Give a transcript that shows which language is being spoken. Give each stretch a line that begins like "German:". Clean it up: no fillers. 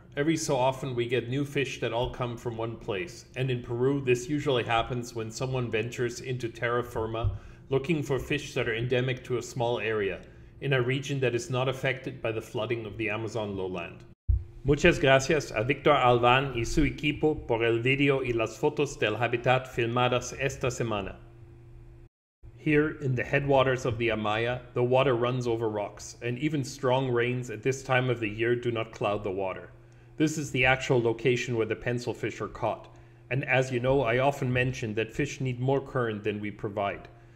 English: Every so often we get new fish that all come from one place, and in Peru this usually happens when someone ventures into terra firma looking for fish that are endemic to a small area, in a region that is not affected by the flooding of the Amazon lowland.
Spanish: Muchas gracias a Victor Alván y su equipo por el video y las fotos del hábitat filmadas esta semana.
English: Here, in the headwaters of the Amaya, the water runs over rocks, and even strong rains at this time of the year do not cloud the water. This is the actual location where the pencilfish are caught, and as you know, I often mention that fish need more current than we provide.